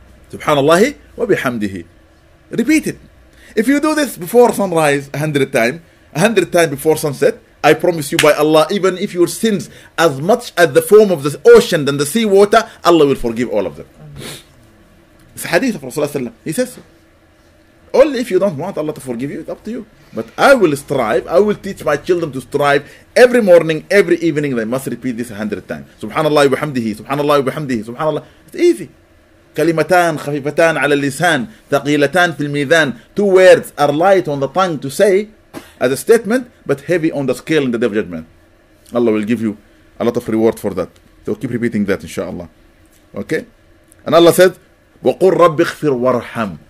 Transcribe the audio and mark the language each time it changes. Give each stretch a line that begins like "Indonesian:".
English: Subhanallah wa bihamdihi. Repeat it. If you do this before sunrise 100 times, 100 times before sunset, I promise you by Allah, even if your sins as much as the foam of the ocean than the sea water, Allah will forgive all of them. It's a hadith of Rasulullah. He says so. Only if you don't want Allah to forgive you, it's up to you. But I will strive, I will teach my children to strive every morning, every evening, they must repeat this 100 times. Subhanallah wa hamdihi, subhanallah wa hamdihi, subhanallah. It's easy.
Arabic: كلمتان خفيفتان على اللسان ثقيلتان في الميزان.
English: Two words are light on the tongue to say as a statement, but heavy on the scale in the Day of Judgment. Allah will give you a lot of reward for that. So keep repeating that, inshallah. Okay? And Allah said,
Arabic: وَقُلْ رَبِّ اغْفِرْ وَارْحَمْ.